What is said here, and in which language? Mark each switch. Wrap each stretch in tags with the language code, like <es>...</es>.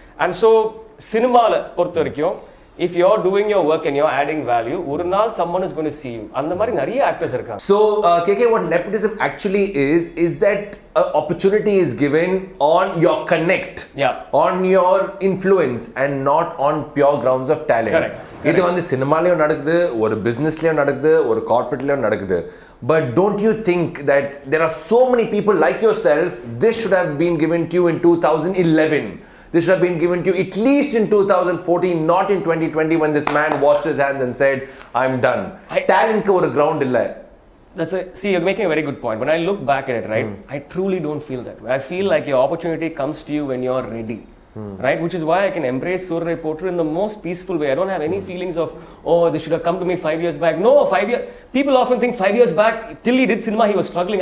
<en>And so, cinema, if you're doing your work and you're adding value, one day someone is going to see you. And there are many actors. So, KK, what nepotism actually is that opportunity is given on your connect, on your influence, and not on pure grounds of talent. Correct.</en> <ta>இது வந்து சினிமாலையும் நடக்குது, ஒரு பிசினஸ்லயும் நடக்குது, ஒரு கார்ப்பரேட்லயும் நடக்குது.</ta> <en>But don't you think that there are so many people like yourself, this should have been given to you in 2011, this should have been given to you at least in 2014, not in 2020 when this man washed his hands and said I am done.</en> <ta>டாலன்ட்க்கு ஒரு ground இல்லை.</ta> <en>That's a, see, you're making a very good point. When I look back at it, right, I truly don't feel that. I feel like your opportunity comes to you when you're ready. Right, which is why I can embrace Surya Ray Potter in the most peaceful way. I don't have any feelings of, oh, this should have come to me 5 years back. No, 5 years. People often think 5 years back, till he did cinema, he was struggling.</en>